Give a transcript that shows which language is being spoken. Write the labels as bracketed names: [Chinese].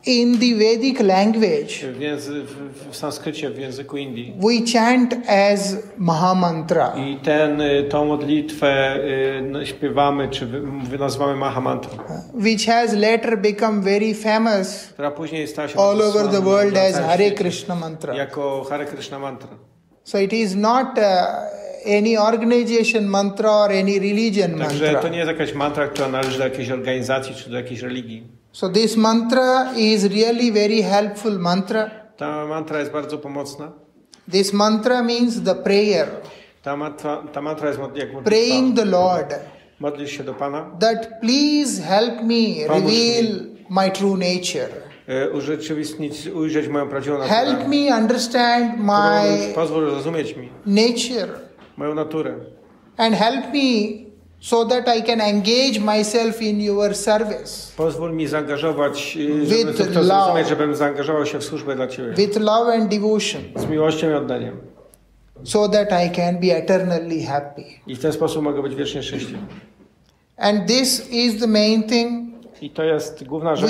[English] In the Vedic language. [Polish] W sanskrycie, w języku Indii. [English] We chant as Mahamantra. [Polish] I tą modlitwę śpiewamy, czy nazywamy Mahamantra. [English] Which has later become very famous. [Polish] Która później stała się [English] all over the world as Hare Krishna Mantra. [Polish] Jako Hare Krishna Mantra. [English] So it is not any organization mantra or any religion mantra. [Polish] Także to nie jest jakaś mantra, która należy do jakiejś organizacji czy do jakiejś religii. [English] So this mantra is really very helpful mantra. [Polish] Ta mantra jest bardzo pomocna. [English] This mantra means the prayer. [Polish] Ta mantra jest jak modlitwa. [English] Praying the Lord. [Polish] Modlisz się do Pana. [English] That please help me reveal my true nature. [Polish] Urzeczywistnić, ujrzeć moją prawdziwą naturę. [English] Help me understand my [Polish] pozwól zrozumieć mi [English] nature. [Polish] Moją naturę. [English] And help me so that I can engage myself in your service. [Polish] Pozwól mi zaangażować, żebym zaangażował się w służbę dla Ciebie. [English] With love and devotion. [Polish] Z miłością i oddaniem. [English] So that I can be eternally happy. [Polish] I w ten sposób mogę być wiecznie szczęśliwy. [English] And this is the main thing. [Polish] I to jest główna rzecz.